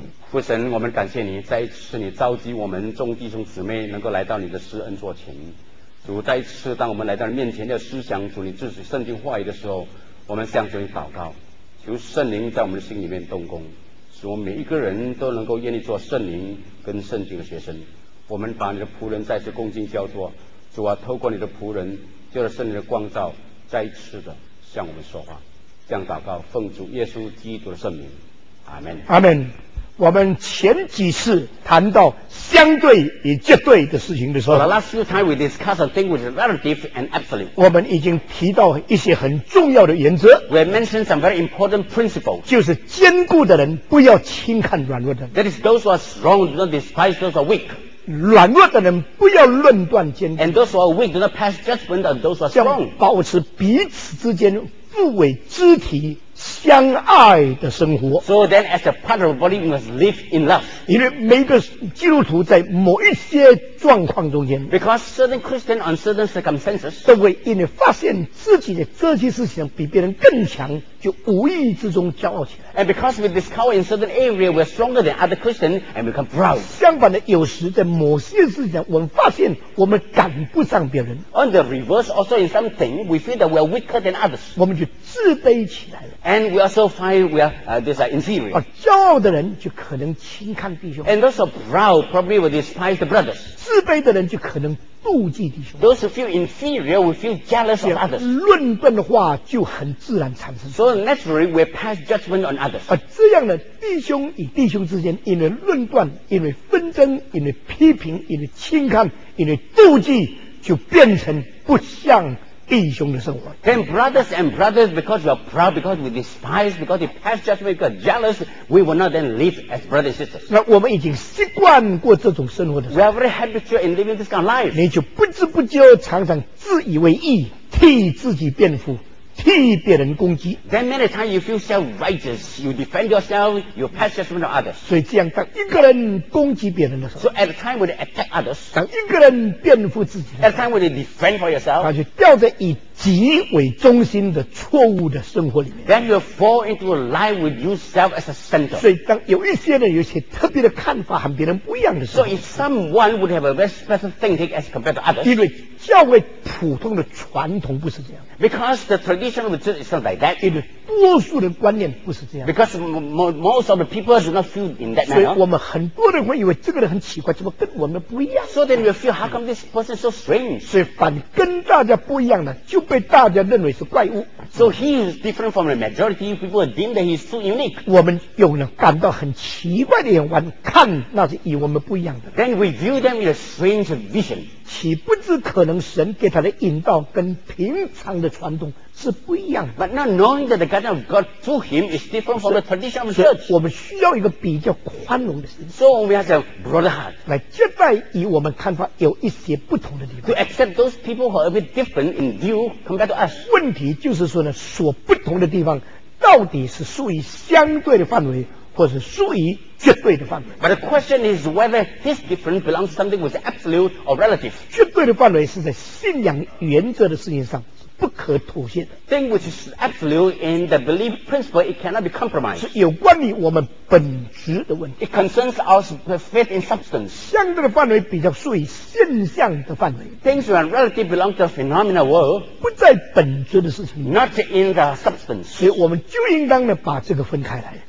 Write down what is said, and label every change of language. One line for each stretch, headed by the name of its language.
Chinese: 父神我们感谢你再一次你召集我们众弟兄姊妹能够来到你的施恩座前主再一次当我们来到你面前要思想主你自己圣经话语的时候我们向主你祷告求圣灵在我们的心里面动工使我们每一个人都能够愿意做圣灵跟圣经的学生我们把你的仆人再次恭敬交托主啊透过你的仆人就是圣灵的光照再一次的向我们说话这样祷告奉主耶稣基督的圣名阿们阿们我们前几次谈到相对与绝对的事情的时候
English: The last few times we discussed a thing which is relative and absolute
Chinese: 我们已经提到一些很重要的原则
English: We mentioned some very important principles
Chinese: 就是坚固的人不要轻看软弱的人
English: That is those who are strong do not despise those who are weak
Chinese: 软弱的人不要论断坚固
English: And those who are weak do not pass judgment on those who are strong
Chinese: 要保持彼此之间互为肢体相爱的生活
English: So then as a part of the body must live in love
Chinese: 因为每个基督徒在某一些状况中间
English: Because certain Christians on certain circumstances
Chinese: 都会因为发现自己的这些事情比别人更强就无意之中骄傲起来
English: And because we discover in certain areas we're stronger than other Christians and become proud
Chinese: 相反的有时在某些事情我们发现我们赶不上别人
English: On the reverse also in something we feel that we're weaker than others
Chinese: 我们就自卑起来了
English: And we also find we are inferior.
Chinese: 而骄傲的人就可能轻看弟兄。
English: And those proud probably will despise the brothers.
Chinese: 自卑的人就可能妒忌弟兄。
English: Those who feel inferior will feel jealous of others.
Chinese: 论断的话就很自然产生。
English: So naturally we pass judgment on others.
Chinese: 而这样的弟兄与弟兄之间，因为论断，因为纷争，因为批评，因为轻看，因为妒忌，就变成不像。弟兄的生活
English: Then brothers and brothers because we are proud because we despise because we pass judgment because jealous we will not then live as brothers and sisters
Chinese: 那我们已经习惯过这种生活的
English: We are very habitual in living this kind of life
Chinese: 你就不知不觉常常自以为义替自己辩护替别人攻击
English: Then many times you feel self-righteous you defend yourself you pass judgment on others
Chinese: 所以这样当一个人攻击别人的时候
English: So at a time when you attack others
Chinese: 当一个人辩护自己
English: At a time when you defend for yourself
Chinese: 他就掉在以己为中心的错误的生活里面
English: Then you fall into a life with yourself as a center
Chinese: 所以当有一些人有些特别的看法和别人不一样的时候
English: So if someone would have a very special thinking as compared to others
Chinese: 因为教会普通的传统不是这样
English: Because the traditionTraditional religion is not like that.
Chinese: 因为多数的观念不是这样。
English: Because most of the people do not feel in that manner.
Chinese: 所以我们很多人会以为这个人很奇怪，怎么跟我们不一样
English: ？So then you feel how come this person is so strange?
Chinese: 所以反跟大家不一样的，就被大家认为是怪物。
English: So he is different from the majority. People deem that he is too unique.
Chinese: 我们用了感到很奇怪的眼光看那些与我们不一样的。
English: Then we view them in a strange vision.
Chinese: 岂不知可能神给他的引导跟平常的传统是不一样的
English: But not knowing that the guidance of God to him is different from the traditional church
Chinese: 我们需要一个比较宽容的心
English: So we have a broader heart
Chinese: 来接待以我们看法有一些不同的地方
English: To accept those people who are a bit different in view compared to us
Chinese: 问题就是说呢所不同的地方到底是属于相对的范围或是属于绝对的范围。
English: But the question is whether his difference belongs to something which is absolute or relative.
Chinese: 绝对的范围是在信仰原则的事情上不可妥协的。
English: Thing which is absolute in the belief principle, it cannot be compromised.
Chinese: 是有关于我们本质的问题。
English: It concerns our faith in substance.
Chinese: 相对的范围比较属于现象的范围。
English: Things which are relative belong to the phenomenal world.
Chinese: 不在本质的事情。
English: Not in the substance.
Chinese: 所以我们就应当的把这个分开来。